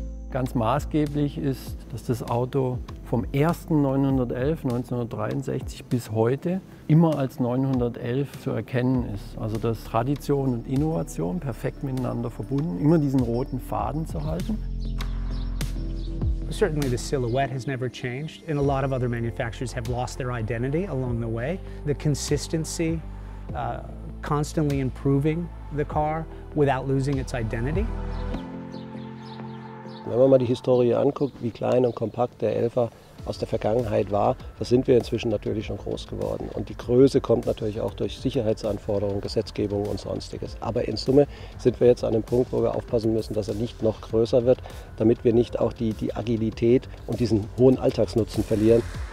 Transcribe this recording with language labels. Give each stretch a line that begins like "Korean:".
German: Ganz maßgeblich ist, dass das Auto vom 1.911 1963 bis heute immer als 911 zu erkennen ist. Also dass Tradition und Innovation perfekt miteinander verbunden, immer diesen roten Faden zu halten.
English: Certainly the silhouette has never changed and a lot of other manufacturers have lost their identity along the way. The consistency, constantly improving the car without losing its identity.
German: Wenn man mal die Historie anguckt, wie klein und kompakt der Elfer aus der Vergangenheit war, da sind wir inzwischen natürlich schon groß geworden. Und die Größe kommt natürlich auch durch Sicherheitsanforderungen, Gesetzgebung und Sonstiges. Aber in Summe sind wir jetzt an dem Punkt, wo wir aufpassen müssen, dass er nicht noch größer wird, damit wir nicht auch die Agilität und diesen hohen Alltagsnutzen verlieren.